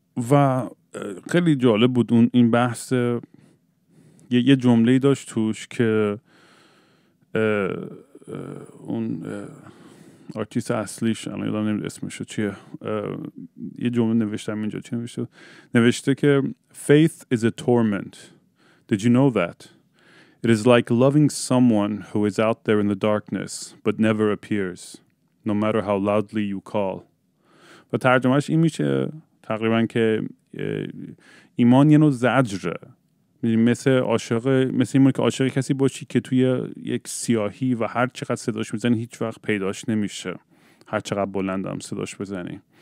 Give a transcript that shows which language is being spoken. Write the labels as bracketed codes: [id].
[fa] و خیلی جالب بود اون این بحث، یه جمله‌ای داشت توش که اون آرتیست اصلیش الان یادم نمیاد اسمشو چیه، یه جمله نوشتم اینجا، چی نوشته؟ نوشته که [en] faith is a torment. Did you know that? It is like loving someone who is out there in the darkness but never appears, no matter how loudly you call. [fa] و ترجمهش این میشه تقریبا که ایمان یه نوع زجره، مثل ایمان که عاشق کسی باشی که توی یک سیاهی و هر چقدر صداش بزنی هیچ وقت پیداش نمیشه، هر چقدر بلند هم صداش بزنی.